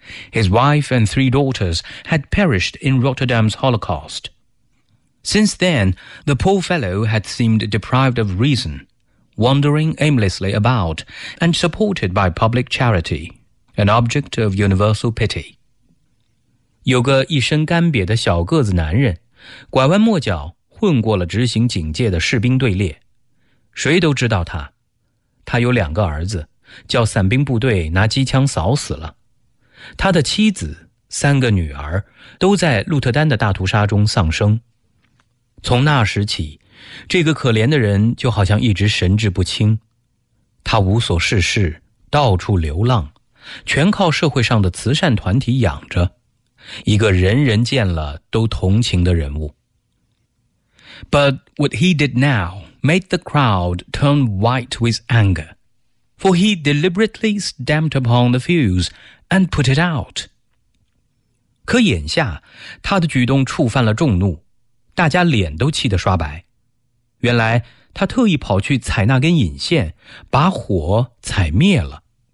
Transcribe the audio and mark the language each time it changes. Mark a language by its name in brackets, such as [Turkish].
[English] His wife and three daughters had perished in Rotterdam's Holocaust. Since then, the poor fellow had seemed deprived of reason, wandering aimlessly about and supported by public charity, an object of universal pity. [Chinese] 有个一身干瘪的小个子男人，拐弯抹角混过了执行警戒的士兵队列。谁都知道他，他有两个儿子，叫伞兵部队拿机枪扫死了。他的妻子、三个女儿都在鹿特丹的大屠杀中丧生。从那时起，这个可怜的人就好像一直神志不清。他无所事事，到处流浪，全靠社会上的慈善团体养着。一个人人见了都同情的人物。 [English] But what he did now made the crowd turn white with anger, for he deliberately stamped upon the fuse and put it out. [Chinese] 可眼下，他的举动触犯了众怒，大家脸都气得刷白。原来，他特意跑去踩那根引线，把火踩灭了。